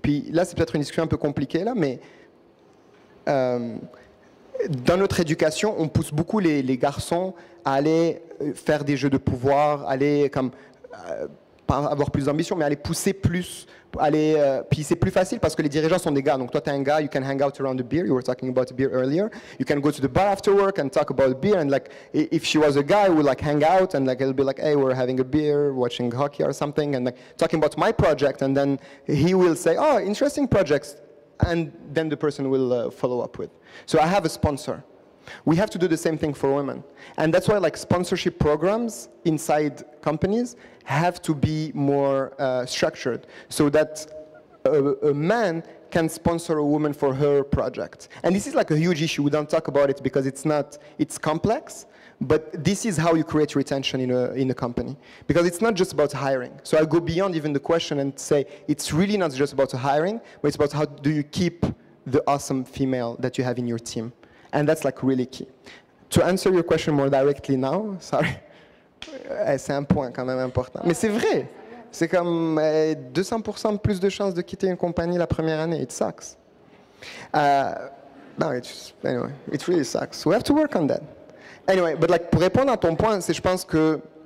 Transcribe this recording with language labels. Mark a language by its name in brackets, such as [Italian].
[French] Puis là, c'est peut-être une discussion un peu compliquée, là, mais dans notre éducation, on pousse beaucoup les garçons à aller faire des jeux de pouvoir, aller comme... pas avoir plus d'ambition, mais aller pousser plus. Aller, puis c'est plus facile parce que les dirigeants sont des gars. Donc toi, tu es un gars, [English] you can hang out around the beer. You were talking about beer earlier. You can go to the bar after work and talk about beer. And like, if she was a guy, we'd like hang out and like, it'll be like, hey, we're having a beer, watching hockey or something, and like talking about my project. And then he will say, oh, interesting projects. And then the person will follow up with. So I have a sponsor. We have to do the same thing for women. And that's why like sponsorship programs inside companies have to be more structured so that a man can sponsor a woman for her project. And this is like a huge issue. We don't talk about it because it's complex, but this is how you create retention in a company. Because it's not just about hiring. So I go beyond even the question and say, it's really not just about hiring, but it's about how do you keep the awesome female that you have in your team. And that's like really key. To answer your question more directly now, sorry. [French] C'est un point quand même important. Mais c'est vrai. C'est comme 200% plus de chances de quitter une compagnie la première année. [English] It sucks. No, it's, anyway, it really sucks. We have to work on that. Anyway, but like, [French] pour répondre à ton point, c'est je pense que...